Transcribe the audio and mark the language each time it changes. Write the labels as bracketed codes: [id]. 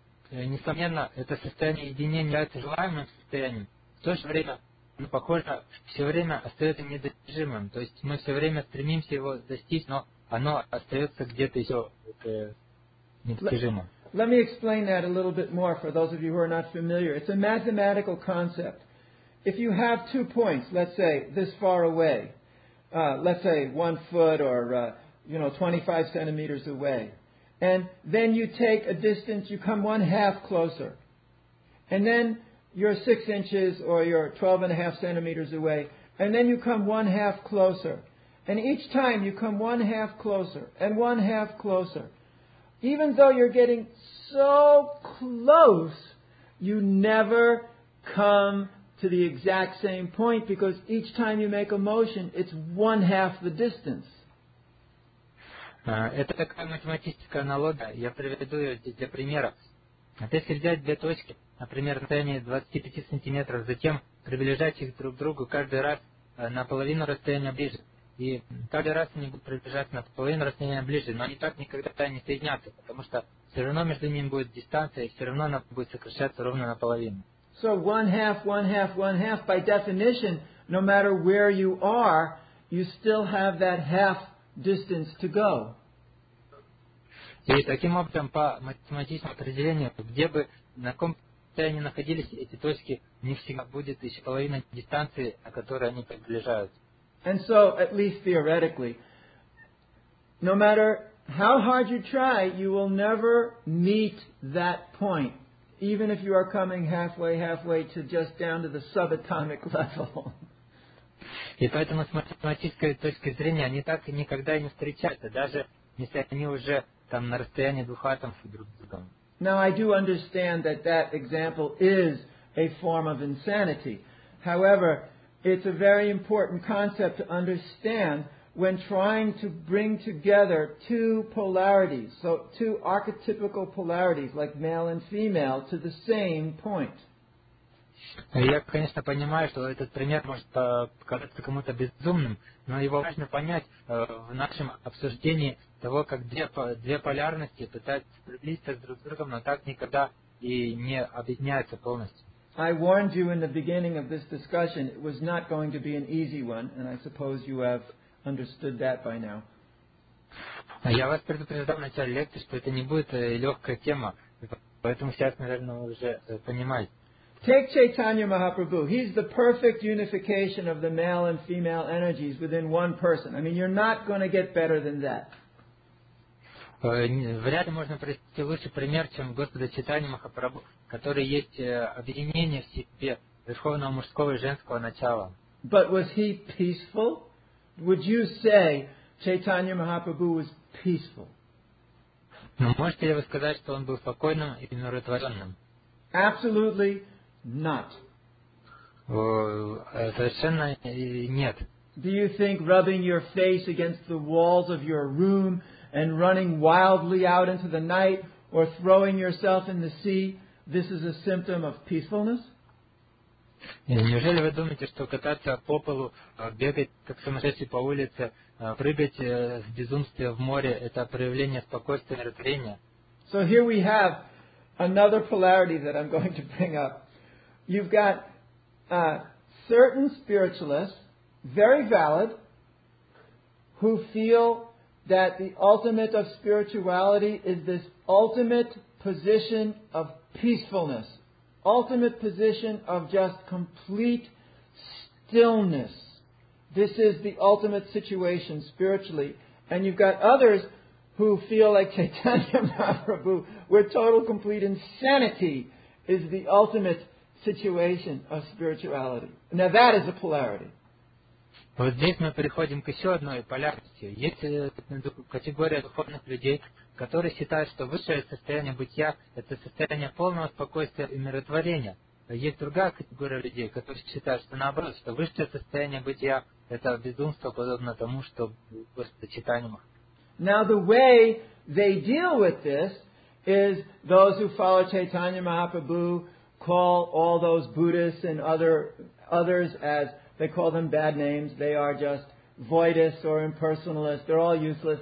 [ru] Несомненно, это состояние единения является желаемым состоянием. В то же время, оно, похоже, все время остается недостижимым. То есть мы все время стремимся его достичь, но оно остается где-то еще недостижимым. [en] Let me explain that a little bit more for those of you who are not familiar. It's a mathematical concept. If you have two points, let's say, this far away, let's say 1 foot or 25 centimeters away, and then you take a distance, you come one half closer. And then you're 6 inches or you're 12 and a half centimeters away. And then you come one half closer. And each time you come one half closer and one half closer. Even though you're getting so close, you never come to the exact same point because each time you make a motion, it's one half the distance. [ru] Это такая математическая аналогия. Я приведу ее здесь для примера. Вот если взять две точки, например, на расстоянии 25 сантиметров, затем приближать их друг к другу каждый раз на половину расстояния ближе. И каждый раз они будут приближаться на половину расстояния ближе, но они так никогда не соединятся, потому что все равно между ними будет дистанция, и все равно она будет сокращаться ровно наполовину. [en] So one half, one half, one half, by definition, no matter where you are, you still have that half distance to go. [ru] И таким образом, по математическому определению, где бы на каком расстоянии находились эти точки, не всегда будет еще половина дистанции, о которой они приближаются. [en] And so, at least theoretically, no matter how hard you try, you will never meet that point, even if you are coming halfway to just down to the subatomic level. [ru] И поэтому с математической точки зрения они так и никогда не встречаются, даже если они уже там на расстоянии двух атомов друг с другом. [en] Now I do understand that that example is a form of insanity. However, it's a very important concept to understand when trying to bring together two polarities, so two archetypical polarities like male and female to the same point. [ru] Я, конечно, понимаю, что этот пример может показаться кому-то безумным, но его важно понять в нашем обсуждении того, как две полярности пытаются приблизиться друг к другу, но так никогда и не объединяются полностью. [en] I warned you in the beginning of this discussion, it was not going to be an easy one, and I suppose you have understood that by now. [ru] Я вас предупреждал в начале лекции, что это не будет легкая тема, поэтому сейчас, наверное, вы уже понимаете. [en] Take Chaitanya Mahaprabhu. He's the perfect unification of the male and female energies within one person. I mean, you're not going to get better than that. [ru] Вряд ли можно привести лучший пример, чем Господа Чайтанья Махапрабху, который есть объединение в себе верховного мужского и женского начала. [en] But was he peaceful? Would you say Chaitanya Mahaprabhu was peaceful? [ru] Но можете ли вы сказать, что он был спокойным и умиротворенным? [en] Absolutely. Not. [ru] Совершенно нет. [en] Do you think rubbing your face against the walls of your room and running wildly out into the night or throwing yourself in the sea, this is a symptom of peacefulness? [ru] Неужели вы думаете, что кататься по полу, бегать как сумасшедший по улице, прыгать в безумстве в море – это проявление спокойствия и умиротворения? [en] So here we have another polarity that I'm going to bring up. You've got certain spiritualists, very valid, who feel that the ultimate of spirituality is this ultimate position of peacefulness, ultimate position of just complete stillness. This is the ultimate situation spiritually. And you've got others who feel like Chaitanya Mahaprabhu, where total complete insanity is the ultimate situation of spirituality. Now that is a polarity. [ru] Вот здесь мы переходим к еще одной полярности. Есть категория духовных людей, которые считают, что высшее состояние бытия – это состояние полного спокойствия и умиротворения. Есть другая категория людей, которые считают, что наоборот, что высшее состояние бытия – это безумство, подобно тому, что Господь Чайтанья Махапрабху. [en] Now the way they deal with this is those who follow Chaitanya Mahaprabhu call all those Buddhists and others as they call them bad names. They are just voidists or impersonalists. They're all useless.